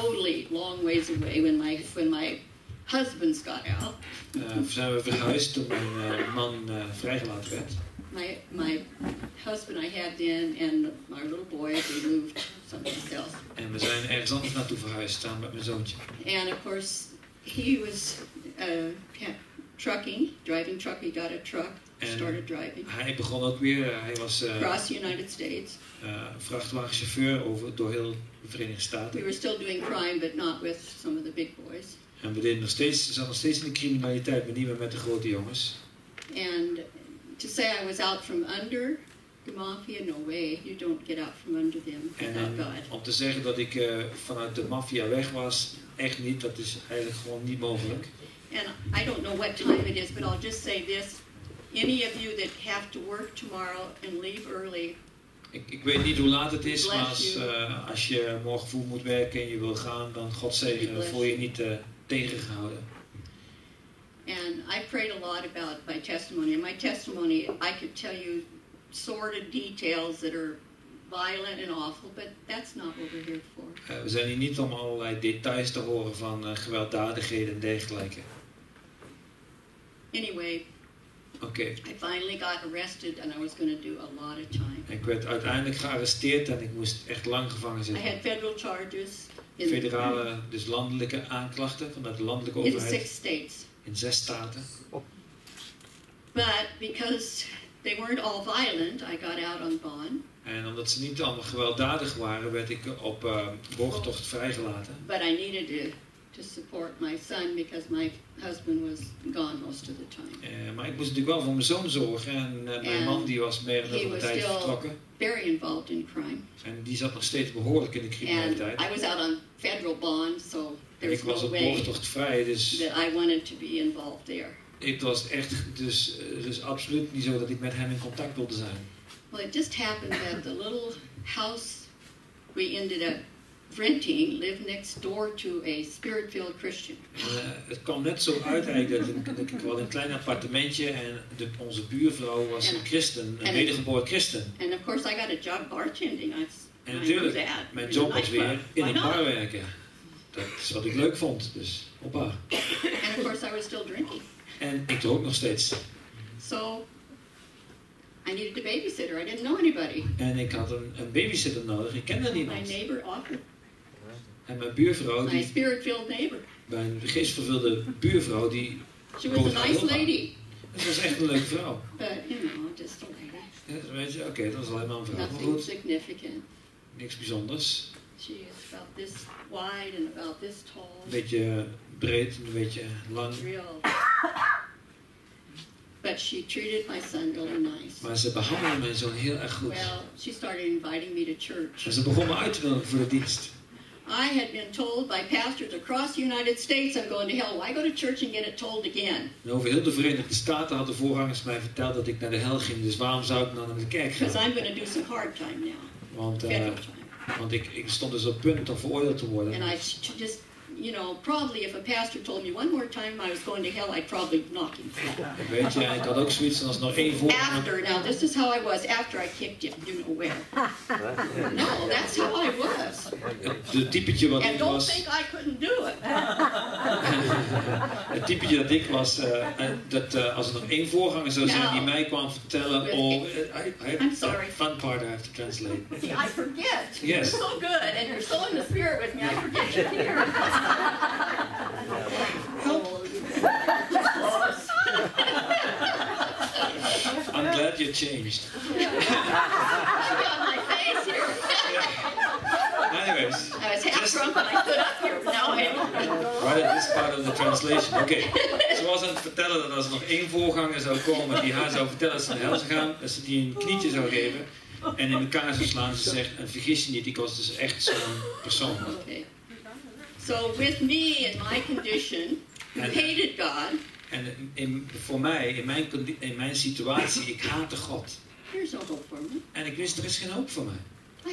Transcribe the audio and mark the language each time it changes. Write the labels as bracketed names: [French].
[English] Totally long ways away when my husbands got out. [Dutch] Zijn we verhuisd toen mijn man vrijgelaten werd. [English] My husband I had then and my little boy, we moved someplace else. [Dutch] En we zijn ergens anders naartoe verhuisd samen met mijn zoontje. [English] And of course, he was driving truck. He got a truck, started driving. [Dutch] Hij begon ook weer, hij was [English] across the United States. [Dutch] Vrachtwagenchauffeur over door heel de Verenigde Staten. [English] We were still doing crime, but not with some of the big boys. [Dutch] En we deden nog steeds in de criminaliteit, maar niet meer met de grote jongens. [English] And to say I was out from under the mafia, no way. You don't get out from under them without God. [Dutch] Om te zeggen dat ik vanuit de maffia weg was, echt niet. Dat is eigenlijk gewoon niet mogelijk. [English] And I don't know what time it is, but I'll just say this: any of you that have to work tomorrow and leave early. [Dutch] Ik weet niet hoe laat het is, maar als je morgen vroeg moet werken en je wil gaan, dan God zegen, voel je niet tegengehouden. [English] And I prayed a lot about my testimony. And my testimony, I could tell you sordid details that are violent and awful, but that's not what we're here for. [Dutch] We zijn hier niet om allerlei details te horen van gewelddadigheden en dergelijke. [English] Anyway. Okay. I finally got arrested and I was going to do a lot of time. [Dutch] Ik werd uiteindelijk gearresteerd en ik moest echt lang gevangen zitten. [English] I had federal charges. [Dutch] Federale, dus landelijke aanklachten vanuit de landelijke overheid. [English] In 6 states. [Dutch] In 6 staten. [English] But because they weren't all violent, I got out on bond. [Dutch] En omdat ze niet allemaal gewelddadig waren, werd ik op borgtocht vrijgelaten. [English] But I needed to support my son because my husband was gone most of the time. [Dutch] Maar ik moest natuurlijk wel voor mijn zoon zorgen en mijn man die was meer dan een tijd vertrokken. [English] Very involved in crime. [Dutch] En die zat nog steeds behoorlijk in de criminaliteit. [English] And I was out on federal bond, so there's no way. [Dutch] Ik was op borgtocht vrij, dus. [English] That I wanted to be involved there. [Dutch] Het was echt dus absoluut niet zo dat ik met hem in contact wilde zijn. [English] Well, it just happened that the little house we ended up renting lived next door to a spirit-filled Christian. [Dutch] Het kwam net zo uit eigenlijk dat ik wel een klein appartementje en onze buurvrouw was een christen, een wedergeboren christen. [English] And of course I got a job bartending. [Dutch] En natuurlijk, mijn job was weer in een bar werken. Dat is wat ik leuk vond, dus hoppa. [English] And of course I was still drinking. [Dutch] En ik dronk nog steeds. [English] So, I needed a babysitter. I didn't know anybody. [Dutch] En ik had een babysitter nodig. Ik kende niemand. [English] My neighbor offered. [Dutch] En mijn buurvrouw, [English] my spirit-filled neighbor. [Dutch] Mijn geestvervulde buurvrouw die. [English] She was a nice lady. [Dutch] Ze was echt een leuke vrouw. [English] But you know, just a lady. [Dutch] Ja, weet je, oké, dat was alleen maar een vrouw. [English] Nothing significant. [Dutch] Niks bijzonders. [English] She is about this wide and about this tall. [Dutch] Een beetje breed en een beetje lang. [English] Real. But she treated my son really nice. [Dutch] Maar ze behandelde mijn zoon heel erg goed. [English] Well, she started inviting me to church. [Dutch] En ze begon me uit te nodigen voor de dienst. [English] I had been told by pastors across the United States, I'm going to hell. Why go to church and get it told again? [Dutch] En over heel de Verenigde Staten hadden voorgangers mij verteld dat ik naar de hel ging. Dus waarom zou ik dan naar de kerk gaan? [English] Because I'm going to do some hard time now. [Dutch] Want ik stond dus op punt om veroordeeld te worden. [English] And I just, you know, probably if a pastor told me one more time I was going to hell, I'd probably knock him flat. [Dutch] Weet je, ik had ook zoiets als nog één voor. [English] After, now this is how I was after I kicked him, you know where. No, that's how I was. [Dutch] Het typetje wat [English] and [Dutch] ik [English] don't [Dutch] was. [English] Think I couldn't do it. [Dutch] Het typetje dat ik was, dat als er nog één voorganger zou zijn die mij kwam vertellen, oh, [English] I'm sorry. Fun part I have to translate. See, I forget. You're so good, and you're so in the spirit with me, I forget you're here. I'm glad you changed. I got my face here. Anyways, I was half drunk when I stood up here. Now I'm right at this part of the translation. Okay. [Dutch] Ze was aan het vertellen dat als er nog één voorganger zou komen die haar zou vertellen dat ze naar hel zou gaan, dat ze die een knietje zou geven en in elkaar zou slaan. Ze zegt: en vergis je niet, ik was dus echt zo'n persoon. [English] Okay. So with me in my condition, I hated God. [Dutch] En voor mij, in mijn situatie, ik haatte God. [English] There's no hope for me. [Dutch] En ik wist, er is geen hoop voor mij.